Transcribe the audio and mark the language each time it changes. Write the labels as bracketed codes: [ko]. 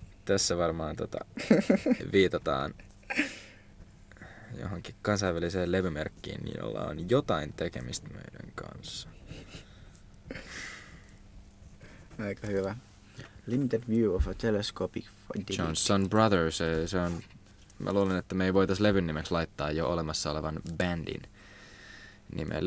[fi] Tässä varmaan viitataan johonkin kansainväliseen levymerkkiin, jolla on jotain tekemistä meidän kanssa. Aika hyvä. [en] Limited view of a telescopic digit. [fi] Johnson Brothers, se on, mä luulen, että me ei voitais levyn nimeksi laittaa jo olemassa olevan bandin nimeä.